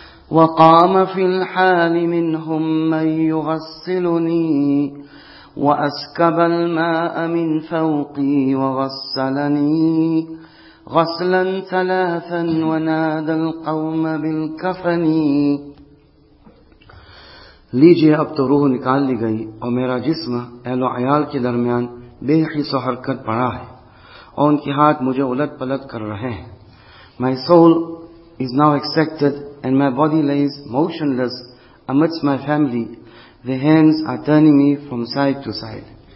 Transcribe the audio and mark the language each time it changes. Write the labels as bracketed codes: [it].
[ar] وقام في الحال منهم من يغسلني وأسكب الماء من فوقي وغسلني غسلا ثلاثا ونادى القوم بالكفن. [ur] لیجئے اب تو روح نکال لی گئی اور میرا جسم اہل و عیال کے درمیان بے حس و حرکت پڑا ہے اور ان کے ہاتھ مجھے الٹ پلٹ کر رہے ہیں. [en] My soul is now extracted and my body lays motionless amidst my family. Their hands are turning me from side to side.